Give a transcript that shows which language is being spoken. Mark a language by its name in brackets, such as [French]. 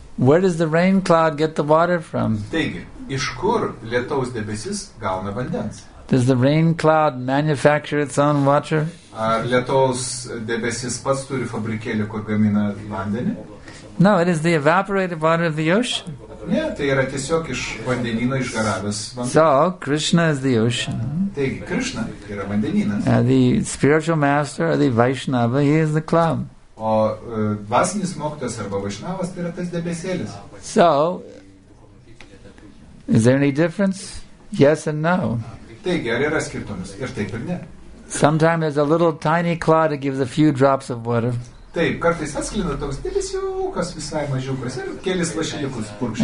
[English] Where does the rain cloud get the water from? [Lithuanian] Taigi, iš kur lietaus debesis gauna vandens? [English] Does the rain cloud manufacture its own water? [Lithuanian] Ar lietaus debesis pats turi fabrikėlį, kur gamina vandenį? [English] No, it is the evaporated water of the ocean. [Lithuanian] Ne, tai yra tiesiog iš vandenino išgaravęs vandens. [English] So, Krishna is the ocean. [Lithuanian] Taigi, Krishna yra vandeninas. [English] The spiritual master, the Vaishnava, he is the cloud. [Lithuanian] O dvasinis mokytas arba Vaishnavas, tai yra tas debesėlis. [English] So, is there any difference? Yes and no. [Lithuanian] Taigi, ar yra skirtumas? Ir taip ir ne. [English] Sometimes there's a little tiny cloud that gives a few drops of water. [Lithuanian] Taip, kartais atsklina toks debesiukas visai mažiukas ir kelis lašeliukus purkšti.